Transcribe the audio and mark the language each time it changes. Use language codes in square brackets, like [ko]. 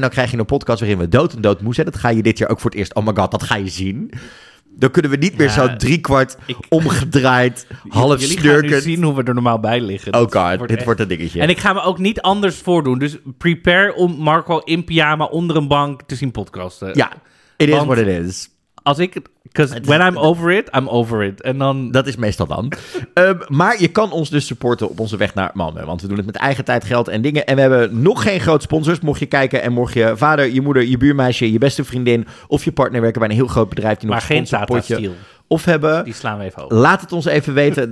[nl] Dan krijg je een podcast waarin we dood en dood moe zijn. Dat ga je dit jaar ook voor het eerst. Oh my god, dat ga je zien. Dan kunnen we niet meer zo driekwart omgedraaid, half snurkend. Jullie gaan nu zien hoe we er normaal bij liggen. Oh god, dit wordt een dingetje. En ik ga me ook niet anders voordoen. Dus prepare om Marco in pyjama onder een bank te zien podcasten. [en] Ja, it is what it is. [nl] Als ik, [en] because when I'm over it, I'm over it. [nl] En dan. Dat is meestal dan. maar je kan ons dus supporten op onze weg naar Malmö. Want we doen het met eigen tijd, geld en dingen. En we hebben nog geen grote sponsors. Mocht je kijken en mocht je vader, je moeder, je buurmeisje, je beste vriendin of je partner werken bij een heel groot bedrijf. Die maar nog geen Tata Steel. Of hebben. Die slaan we even over. Laat het ons even weten.